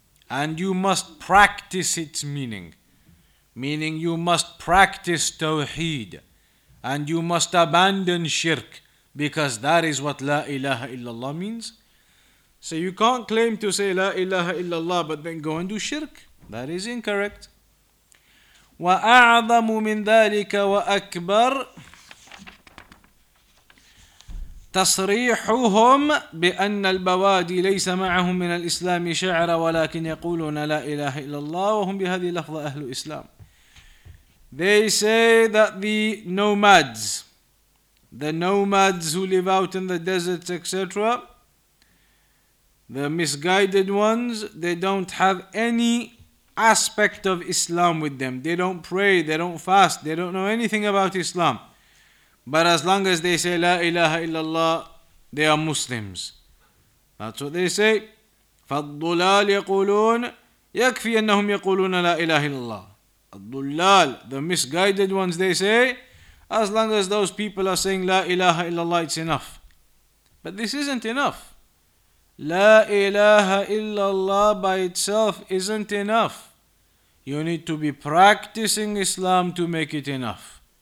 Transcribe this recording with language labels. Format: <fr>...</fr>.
<en>And you must practice its meaning. Meaning you must practice tawheed. And you must abandon shirk. Because that is what La ilaha illallah means. So you can't claim to say La ilaha illallah but then go and do shirk. That is incorrect.</en> <ar>وأعظم من ذلك وأكبر تصريحهم بأن البوادي ليس معهم من الإسلام شعرا ولكن يقولون لا إله إلا الله وهم بهذه اللفظة أهل الإسلام.</ar> <en>They say that the nomads who live out in the deserts, etc., the misguided ones, they don't have any aspect of Islam with them. They don't pray, they don't fast, they don't know anything about Islam. But as long as they say La ilaha illallah, they are Muslims. That's what they say.</en> <ar>فالضلال يقولون يكفي أنهم يقولون لا إله إلا الله.</ar> <en>الضلال, the misguided ones, they say, as long as those people are saying La ilaha illallah, it's enough. But this isn't enough. La ilaha illallah by itself isn't enough. You need to be practicing Islam to make it enough.</en>